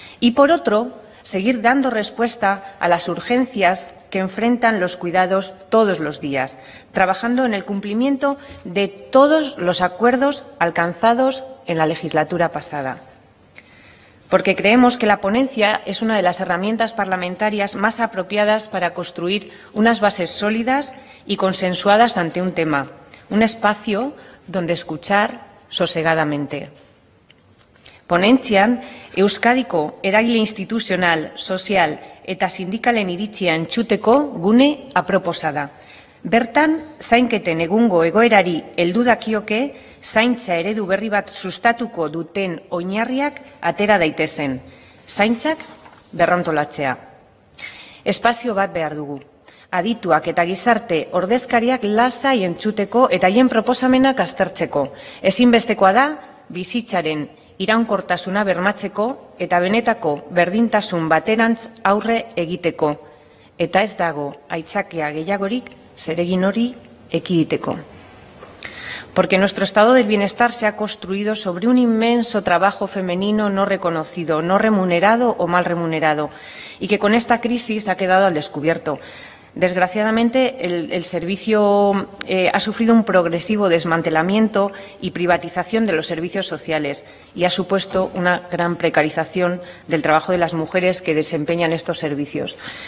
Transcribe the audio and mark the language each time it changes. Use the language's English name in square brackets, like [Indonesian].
[Spanish] Y, por otro, seguir dando respuesta a las urgencias que enfrentan los cuidados todos los días, trabajando en el cumplimiento de todos los acuerdos alcanzados en la legislatura pasada. Porque creemos que la ponencia es una de las herramientas parlamentarias más apropiadas para construir unas bases sólidas y consensuadas ante un tema, un espacio donde escuchar sosegadamente. [Basque] Ponentzian, Euskadiko eragile instituzional, sozial eta sindikalen iritzia entzuteko gune aproposa da. Bertan, zainketen egungo egoerari heldu dakioke, zaintza eredu berri bat sustatuko duten oinarriak atera daitezen. Zaintzak berrantolatzea. Espazio bat behar dugu. Adituak eta gizarte ordezkariak lasai entzuteko eta haien proposamenak aztertzeko. Ezinbestekoa da, bizitzaren iraunkortasuna bermatzeko eta benetako berdintasun baterantz aurre egiteko. Eta ez dago aitzakia gehiagorik zeregin hori ekiditeko. [Spanish] Porque nuestro estado del bienestar se ha construido sobre un inmenso trabajo femenino no reconocido, no remunerado o mal remunerado, y que con esta crisis ha quedado al descubierto. Desgraciadamente, el servicio ha sufrido un progresivo desmantelamiento y privatización de los servicios sociales y ha supuesto una gran precarización del trabajo de las mujeres que desempeñan estos servicios.